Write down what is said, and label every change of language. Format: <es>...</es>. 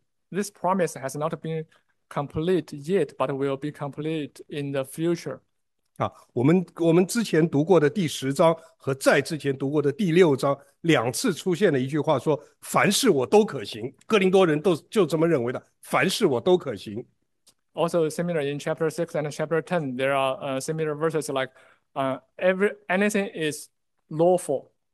<en>This promise has not been complete yet, but will be complete in the future.</en> <zh>啊，我们之前读过的第十章和在之前读过的第六章，两次出现了一句话说：“凡事我都可行。” 哥林多人都就这么认为的，“凡事我都可行。</zh> <en>Also similar in chapter 6 and chapter 10, there are similar verses like anything is lawful.</en>